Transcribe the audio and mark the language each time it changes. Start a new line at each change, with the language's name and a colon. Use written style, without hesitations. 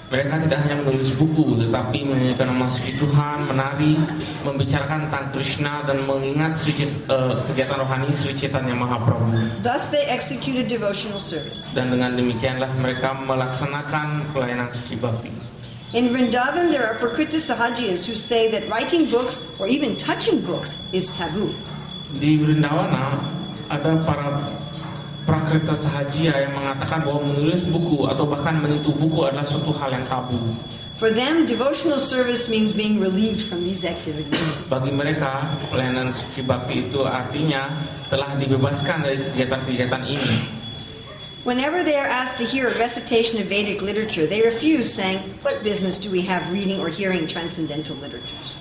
Indonesian: Mereka tidak hanya menulis buku, tetapi menyanyikan nama Sri Tuhan, menari, membicarakan tentang Krishna, dan mengingat kegiatan rohani Sri Chaitanya Mahaprabhu.
English: Thus they executed devotional service.
Indonesian: Dan dengan demikianlah mereka melaksanakan pelayanan suci bhakti.
English: In Vrindavan, there are Prakriti Sahajiyas who say that writing books or even touching books is taboo.
Indonesian: Di Vrindavan, ada para Prakriti Sahajiyas yang mengatakan bahwa menulis buku atau bahkan menyentuh buku adalah suatu hal yang tabu.
English: For them, devotional service means being relieved from these activities.
Indonesian: Bagi mereka, pelayanan suci bhakti itu artinya telah dibebaskan dari kegiatan-kegiatan ini.
English: Whenever they are asked to hear a recitation of Vedic literature, they refuse, saying, "What business do we have reading or hearing transcendental literature?"